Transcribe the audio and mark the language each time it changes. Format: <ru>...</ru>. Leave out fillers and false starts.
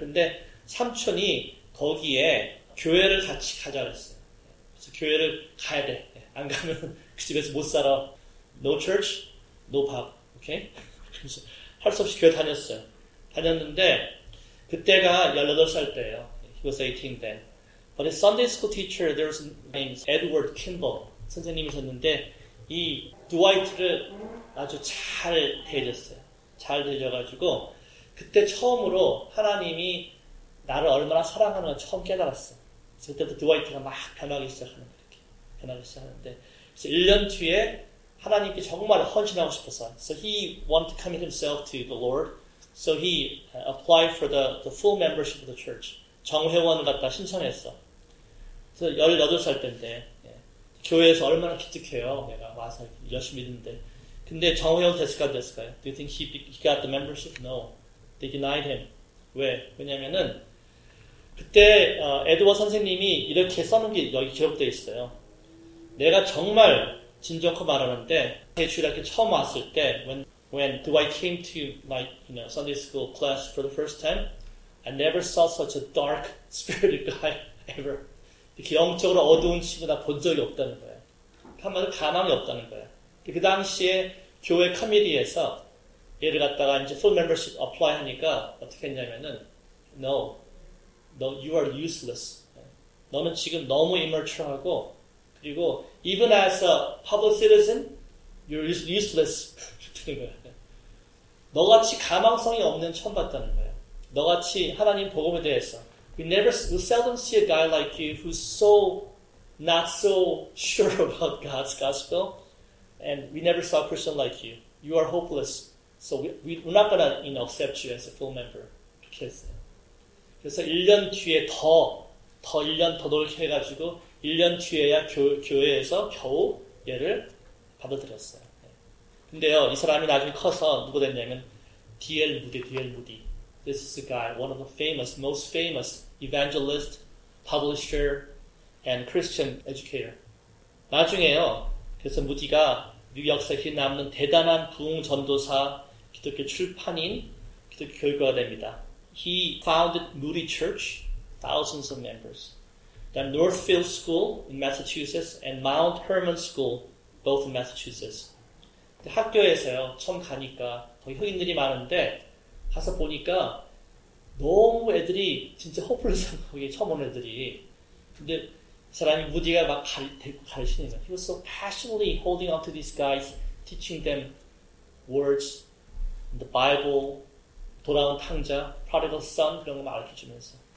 <ko>근데 삼촌이 거기에 교회를 같이 가자 그랬어요. 그래서 교회를 가야 돼. 안 가면 그 집에서 못 살아.</ko> <en>No church, no pub. Okay?</en> <ko>그래서 할 수 없이 교회 다녔어요. 다녔는데 그때가 18살 때예요.</ko> <en>He was 18 then. But his Sunday school teacher, there was a name Edward Kimball.</en> <ko>선생님이셨는데 이 Dwight를 아주 잘 대해줬어요. 잘 대해줘가지고 그때 처음으로 하나님이 나를 얼마나 사랑하는 걸 처음 깨달았어. 그때부터 Dwight가 막 변하기 시작하는 그렇게 변하기 시작하는데 그래서 1년 뒤에 하나님께 정말 헌신하고 싶어서</ko> <en>So he wanted to commit himself to the Lord.</en> <ko>So he applied for the full membership of the church. 정회원 갖다 신청했어. 그래서 18살 때인데 교회에서 얼마나 기특해요. 내가 와서 열심히 믿는데. 근데 정회원 됐을까 안 됐을까요?</ko> <en>Do you think he got the membership? No. They denied him.</en> <ko>왜? 왜냐면은 그때 에드워 선생님이 이렇게 써놓은 게 여기 기록되어 있어요. 내가 정말 진정코 말하는데 제 주일학교 처음 왔을 때</ko> <en>when Dwight came to my Sunday school class for the first time, I never saw such a dark spirited guy ever.</en> <ko>이렇게 영적으로 어두운 친구 나 본 적이 없다는 거야. 한마디로 가망이 없다는 거야. 그 당시에 교회 커뮤니티에서 얘를 갖다가 이제</ko> <en>full membership apply</en> <ko>하니까 어떻게 했냐면은</ko> <en>No, you are useless.</en> <ko>너는 지금 너무 immature하고 그리고</ko> <en>even as a public citizen, you're useless.</en> <ko>그랬다는 거야. 너같이 가망성이 없는 처음 봤다는 거야. 너같이 하나님 복음에 대해서</ko> <en>We seldom see a guy like you who's so not so sure about God's gospel, and we never saw a person like you. You are hopeless, so we're not gonna accept you as a full member.</en> <ko>이렇게 했어요. 그래서 1년 뒤에 더 1년 더 노력해가지고 1년 뒤에야 교회에서 겨우 얘를 받아들였어요. 근데요, 이 사람이 나중에 커서 누가 됐냐면 D.L. Moody.</ko> <en>This is a guy, one of the most famous evangelist, publisher, and Christian educator. 나중에요.</en> <ko>그래서 무디가 뉴욕사에 남는 대단한 부흥 전도사, 기독교 출판인, 기독교 교육가가 됩니다.</ko> <en>He founded Moody Church, thousands of members. Then Northfield School in Massachusetts and Mount Hermon School, both in Massachusetts.</en> <ko>학교에서요, 처음 가니까 거기 흑인들이 많은데, 가서 보니까 너무 애들이 진짜 hopeless한 거기 처음 온 애들이. 근데 사람이 무디가 막 데리고 가르치는 거야.</ko> <en>He was so passionately holding on to these guys, teaching them words, the Bible,</en> <ko>돌아온 탕자,</ko> <en>prodigal son</en> <ko>그런 거 가르쳐주면서.</ko>